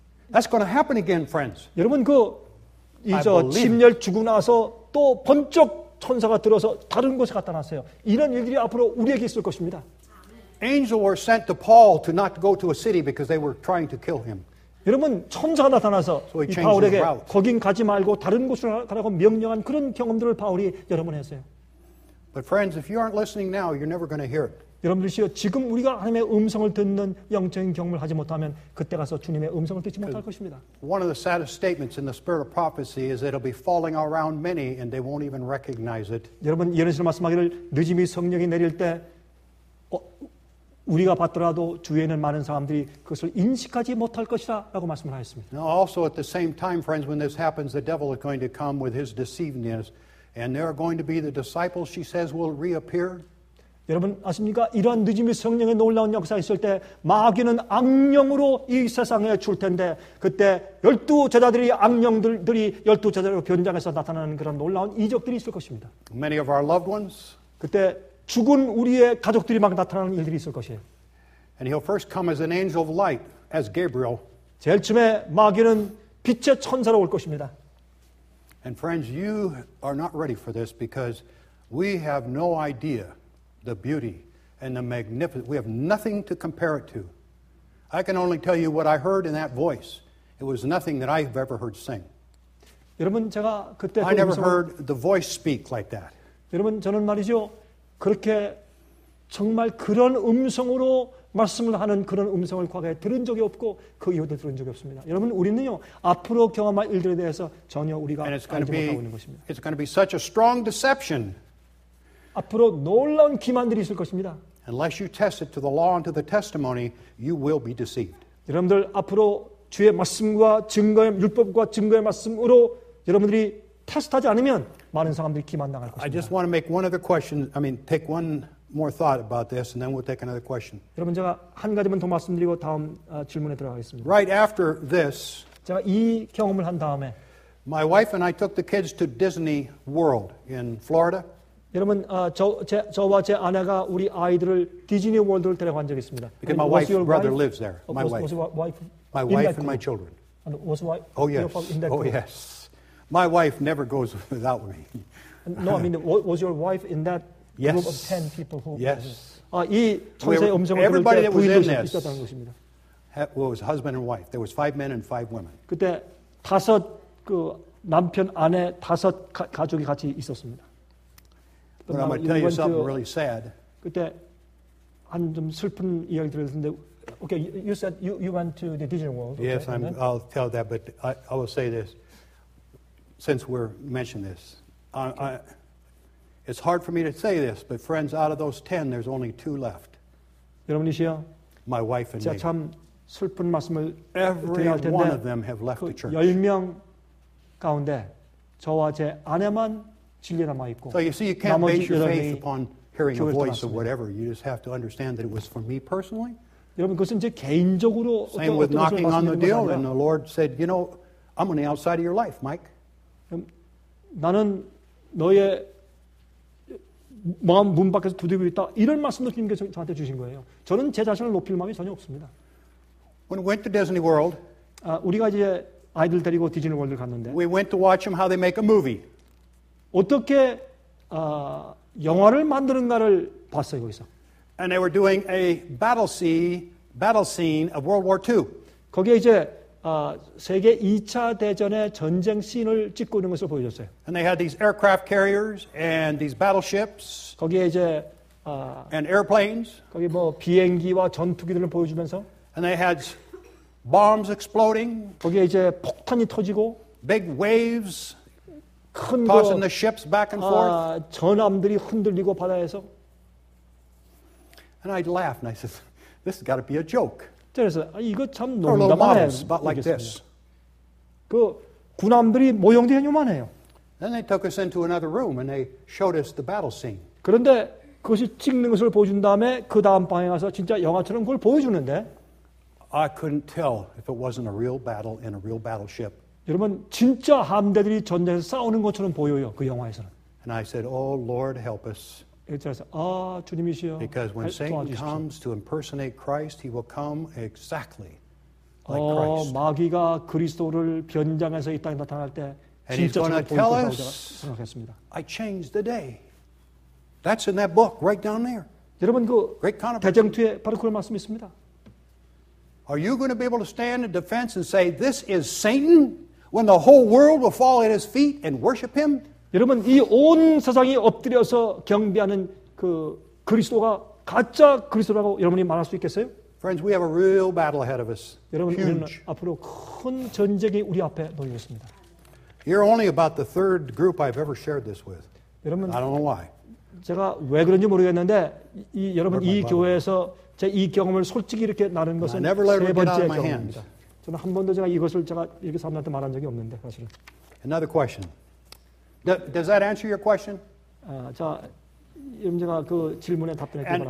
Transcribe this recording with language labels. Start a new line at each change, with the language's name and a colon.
English: That's going to happen again, friends.
Korean: 여러분 그 이제 침렬 죽고 나서 또 번쩍 천사가 들어서 다른 곳에 갖다 놨어요. 이런 일들이 앞으로 우리에게 있을 것입니다.
English: Angels were sent to Paul to not go to a city because they were trying to kill him.
Korean: 여러분 천사가 나타나서 이 바울에게 거긴 가지 말고 다른 곳으로 가라고 명령한 그런 경험들을 바울이 여러 번 했어요.
English: But friends, if you aren't listening now, you're never going to hear it.
Korean: 여러분들이요 지금 우리가 하나님의 음성을 듣는 영적인 경험을 하지 못하면 그때 가서 주님의 음성을 듣지 못할 것입니다.
English: One of the saddest statements in the spirit of prophecy is it'll be falling around many and they won't even recognize it.
Korean: 여러분 예언서 말씀하기를 늦음이 성령이 내릴 때 우리가 받더라도 주위에는 많은 사람들이 그것을 인식하지 못할 것이라라고 말씀을 하셨습니다.
English: Now also at the same time, friends, when this happens, the devil is going to come with his deceivingness, and there are going to be the disciples she says will reappear.
Korean: 여러분 아십니까? 이러한 늦음이 성령의 놀라운 역사가 있을 때 마귀는 악령으로 이 세상에 줄 텐데 그때 열두 제자들이 악령들이 열두 제자로 변장해서 나타나는 그런 놀라운 이적들이 있을 것입니다.
English: Many of our loved ones.
Korean: 그때 죽은 우리의 가족들이 막 나타나는 일들이 있을 것이에요.
English: And he'll first come as an angel of light, as Gabriel.
Korean: 제일 처음에 마귀는 빛의 천사로 올 것입니다.
English: And friends, you are not ready for this because we have no idea the beauty and the magnificence. We have nothing to compare it to. I can only tell you what I heard in that voice. It was nothing that I have ever heard sing.
Korean: 여러분, 제가 그때
English: I never heard the voice speak like that.
Korean: 여러분, 저는 말이죠. 그렇게 정말 그런 음성으로 말씀을 하는 그런 음성을 과거에 들은 적이 없고 그 이후에도 들은 적이 없습니다. 여러분 우리는요 앞으로 경험할 일들에 대해서 전혀 우리가 알지 못하고 있는 것입니다.
English: It's going to be such a strong deception.
Korean: 앞으로 놀라운 기만들이 있을 것입니다.
English: Unless you test it to the law and to the testimony, you will be deceived.
Korean: 여러분들 앞으로 주의 말씀과 증거의 율법과 증거의 말씀으로 여러분들이 테스트하지 않으면 많은 사람들이 기만당할 것입니다.
English: I just want to make one other question. I mean, take one more thought about this, and then we'll take another question.
Korean: 여러분, 제가 한 가지만 더 말씀드리고 다음 질문에 들어가겠습니다.
English: Right after this,
Korean: 제가 이 경험을 한 다음에,
English: my wife and I took the kids to Disney World in Florida.
Korean: 여러분, 저와 제 아내가 우리 아이들을 디즈니 월드를 데려간 적이 있습니다.
English: Because my wife's brother lives there. My wife. My wife and my children. And was wife? Oh yes. Oh yes. My wife never goes without me. No, I mean, was your wife in that group of 10 people who? Yes.
Korean: 이 천사의 음성을
English: Everybody that was in this.
Korean: 있었던 것입니다.
English: Was husband and wife. There was 5 men and 5 women.
Korean: 그때 다섯 그 남편 아내 다섯 가족이 같이 있었습니다.
English: But I'm going to tell you something really sad.
Korean: 그때 한 좀 슬픈 이야기 들었는데,
English: okay, you said you went to the Disney World. Okay, yes, I'll tell that. But I will say this, since we're mentioning this, it's hard for me to say this, but friends, out of those 10, there's only 2 left.
Korean: 여러분이시여,
English: my wife and me.
Korean: 제가 참 슬픈 말씀을
English: Every
Korean: 드려야 할 텐데,
English: one of them have left
Korean: 그
English: the church.
Korean: 10명 가운데 저와 제 아내만 진리 남아 있고.
English: So you see, you can't base your faith upon hearing a voice or whatever. You just have to understand that it was for me personally.
Korean: 여러분, 그것은 제 개인적으로 어떤
English: Same with knocking on the door, and the Lord said, "You know, I'm on the outside of your life, Mike."
Korean: 나는 너의 마음 문 밖에서 두드리고 있다. 이런 말씀도 주님께서 저한테 주신 거예요. 저는 제 자신을 높일 마음이 전혀 없습니다.
English: When we went to Disney World,
Korean: 우리가 이제 아이들 데리고 디즈니 월드 갔는데,
English: we went to watch them how they make a movie.
Korean: 어떻게 영화를 만드는가를 봤어요 거기서.
English: And they were doing a battle scene of World War II.
Korean: 거기에 이제 세계 2차 대전의 전쟁 씬을 찍고 있는 것을 보여줬어요.
English: And they had these aircraft carriers and these battleships.
Korean: 거기에 이제
English: and airplanes.
Korean: 거기 뭐 비행기와 전투기들을 보여주면서.
English: And they had bombs exploding.
Korean: 거기에 이제 폭탄이 터지고.
English: Big waves. Tossing 거, the ships back and forth.
Korean: 전함들이 흔들리고 바다에서.
English: And I laughed and I said, "This has got to be a joke."
Korean: 그래서 이거 참 농담하네.
English: But like this,
Korean: 그 군함들이 모형대 요만해요.
English: Then they took us into another room and they showed us the battle scene.
Korean: 그런데 그것이 찍는 것을 보여준 다음에 그 다음 방에 가서 진짜 영화처럼 그걸 보여주는데.
English: I couldn't tell if it wasn't a real battle in a real battleship.
Korean: 여러분 진짜 함대들이 전쟁에서 싸우는 것처럼 보여요 그 영화에서는.
English: And I said, "Oh Lord, help us."
Korean: 그래서 아 주님이시여.
English: Because when Satan
Korean: 도와주십시오.
English: comes to impersonate Christ, he will come exactly like Christ.
Korean: 마귀가 그리스도를 변장해서 이 땅에 나타날 때
English: And
Korean: 진짜
English: he's going to tell us,
Korean: 생각했습니다.
English: "I changed the day." That's in that book, right down there.
Korean: 여러분 그 대쟁투에 바로 그런 말씀이 있습니다.
English: Are you going to be able to stand in defense and say this is Satan when the whole world will fall at his feet and worship him?
Korean: 여러분 이 온 세상이 엎드려서 경배하는 그 그리스도가 가짜 그리스도라고 여러분이 말할 수 있겠어요?
English: Friends, we have a real battle ahead of us.
Korean: 여러분 앞으로 큰 전쟁이 우리 앞에 놓여 있습니다.
English: You're only about the third group I've ever shared this with.
Korean: 여러분
English: I don't know why.
Korean: 제가 왜 그런지 모르겠는데 이 여러분 이 교회에서 제 이 경험을 솔직히 이렇게 나눈 것은 세 번째 경험입니다. 저는 한 번도 제가 이것을 제가 이렇게 사람들한테 말한 적이 없는데 사실은.
English: Another question. Does that answer your question?
Korean: 자, 여러분 제가 그 질문에 답변했기 바랍니다.